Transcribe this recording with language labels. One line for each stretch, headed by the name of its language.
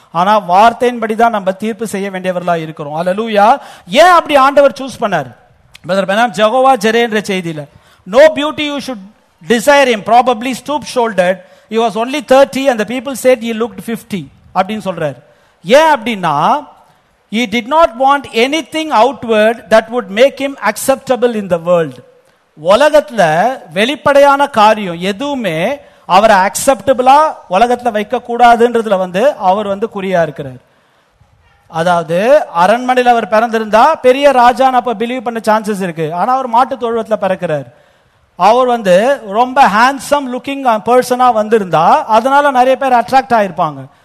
Tamil: ஆனா வார்த்தையின்படி தான் நம்ம தீர்ப்பு செய்ய வேண்டியவர்களா இருக்கிறோம். அல்லேலூயா. ஏன் அப்படி ஆண்டவர் சூஸ் பண்ணார்
English: Brother பெனாம்?
Tamil: ஜெகோவா ஜெரேன்ற செய்தியில
English: no beauty you should desire him probably stoop shouldered he was only 30 and the people said he looked 50
Tamil: அப்படின்னு சொல்றாரு. ஏன் அப்படின்னா,
English: He did not want anything outward that would make him acceptable in the world.
Tamil: உலகத்துல வெளிப்படையான காரியம் எதுவுமே அவரை அக்செப்டபிளா உலகத்துல வைக்க கூடாதுன்றதுல வந்து அவர் வந்து குறியா இருக்கிறார். அதாவது அரண்மனையில் அவர் பிறந்திருந்தா பெரிய ராஜான் அப்ப பிலீவ் பண்ண சான்சஸ் இருக்கு. ஆனா அவர் மாட்டு தொழுவத்தில் பிறக்கிறார். அவர் வந்து ரொம்ப ஹேண்ட்ஸம் லுக்கிங் பர்சனா வந்திருந்தா அதனால நிறைய பேர் அட்ராக்ட் ஆயிருப்பாங்க.